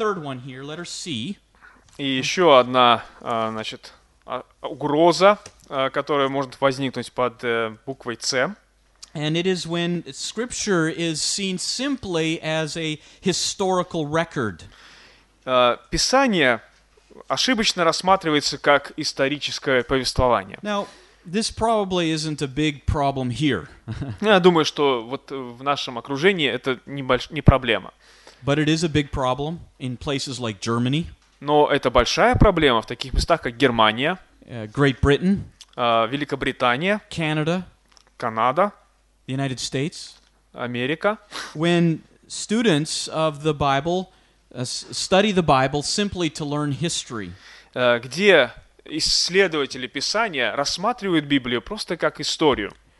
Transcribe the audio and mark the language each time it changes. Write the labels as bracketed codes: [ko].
[ru] И еще одна, значит, угроза, которая может возникнуть под буквой «С». [en] And it is when Scripture is seen simply as a historical record. [ru] Писание ошибочно рассматривается как историческое повествование. [en] Now, this probably isn't a big problem here. [ru] Я думаю, что вот в нашем окружении это не проблема. [en] But it is a big problem in places like Germany. [ru] Но это большая проблема в таких местах, как Германия, [en] Great Britain, [ru] Великобритания, [en] Canada, [ru] Канада, [en] the United States, [ru] Америка. [en] When students of the Bible study the Bible simply to learn history. [ru] Где исследователи Писания рассматривают Библию просто как историю.